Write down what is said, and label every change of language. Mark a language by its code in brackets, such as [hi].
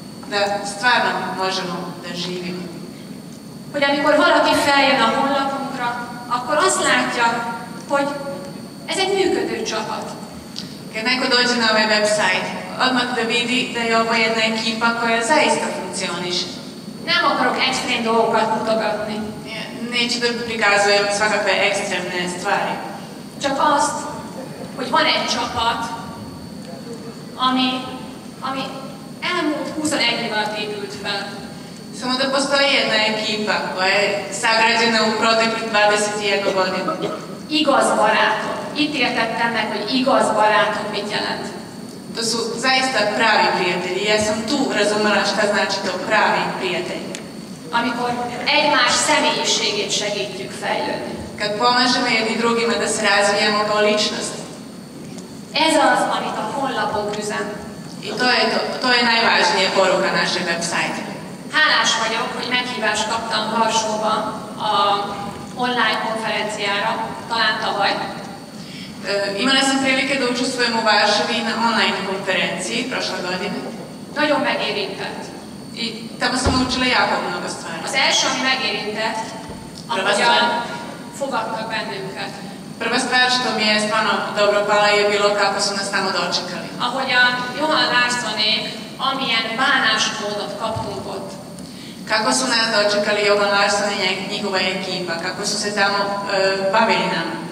[sr] Da stvarno možemo da živimo. [hu] Hogy amikor valaki feljön a honlapunkra, akkor azt látja, hogy ez egy működő csapat. [sr] Kad neko dođe na ovaj website, odmah da vidi da je ovo jedna ekipa koja zaista funkcioniše. [hu] Nem akarok extrém dolgokat mutogatni. [sr] Neću da prikazujem svakakve ekstremne stvari. [hu] Csak azt, hogy van egy csapat, ami elmúlt 21 évvel épült fel. [sr] Samo da postoji jedna ekipa, koja je sagrađena u proteklih 21 godina. [hu] Igaz barátok. Itt értettem meg, hogy igaz barátok mit jelent. [sr] To su zaista pravi prijatelji. Ja sam tu razumela šta znači to pravi prijatelji. [hu] Amikor egymás személyiségét segítjük fejlődni. [sr] Kad pomažemo jedni drugima da se razvijemo kao ličnost. [hu] Ez az, amit a honlapok üzen. [sr] I to je najvažnije poruka naše website. [hu] Hálás vagyok, hogy meghívást kaptam Varsóba a online konferenciára, talán tavaly. [sr] Imala sam prilike da učestvujem u Varsavi na online konferenciji prošle godine. [hu] Nagyon megérintett. [sr] I tamo sam naučila jako mnogo stvari. [hu] Az első, ami megérintett, ahogyan fogadtak bennünket. [sr] Prva stvar što mi je stvarno dobro pala je bilo kako su nas tamo dočekali. [hu] Ahogyan Johan Larssonék, amilyen bánásmódot kaptunk ott. [sr] Kako su nas dočekali Johan Larsson i njihova ekipa, kako su se tamo bavili nam.